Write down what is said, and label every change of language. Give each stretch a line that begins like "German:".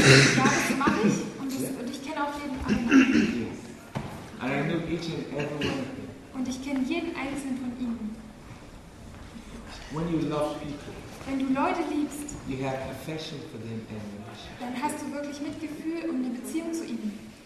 German: Ja, das mache ich und ich kenne auch jeden einen.
English: Yes. I know each and every one of them.
German: Und ich kenne jeden einzelnen von ihnen.
English: When you love people,
German: wenn du Leute liebst,
English: you have affection for them and relationship.
German: Dann hast du wirklich Mitgefühl und eine Beziehung zu ihnen.